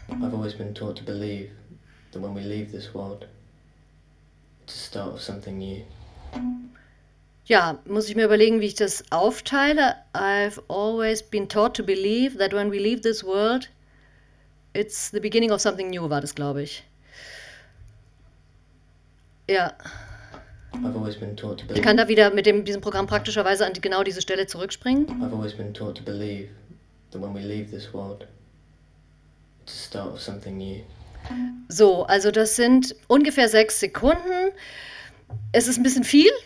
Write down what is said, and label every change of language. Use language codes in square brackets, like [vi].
[en] I've always been taught to believe that when we leave this world, it's the start of something new. [de] Ja, muss ich mir überlegen, wie ich das aufteile. [en] I've always been taught to believe that when we leave this world, it's the beginning of something new, [de] war das, glaube ich. Ja. [en] I've always been taught to believe. [de] Ich kann da wieder mit diesem Programm praktischerweise an genau diese Stelle zurückspringen. [en] I've always been taught to believe that when we leave this world, it's the start of something new. [de] So, also das sind ungefähr 6 Sekunden. Es ist ein bisschen viel.